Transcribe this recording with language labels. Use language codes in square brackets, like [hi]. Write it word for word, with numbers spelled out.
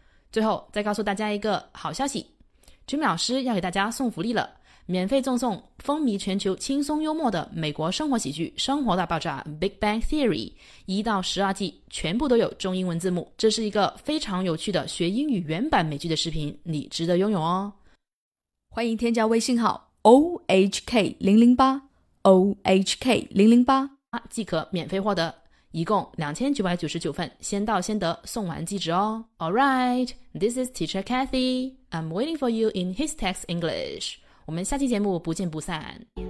[zh] 最后再告诉大家一个好消息，君美老师要给大家送福利了，免费赠送风靡全球轻松幽默的美国生活喜剧《生活大爆炸 Big Bang Theory》，一到十二季全部都有中英文字幕，这是一个非常有趣的学英语原版美剧的视频，你值得拥有哦。欢迎添加微信号 O H K 零零八 O H K 零零八即可免费获得，一共两千九百九十九份，先到先得，送完即止哦。 [en] Alright, this is Teacher Cathy, I'm waiting for you in Histex English。 [zh] 我们下期节目不见不散。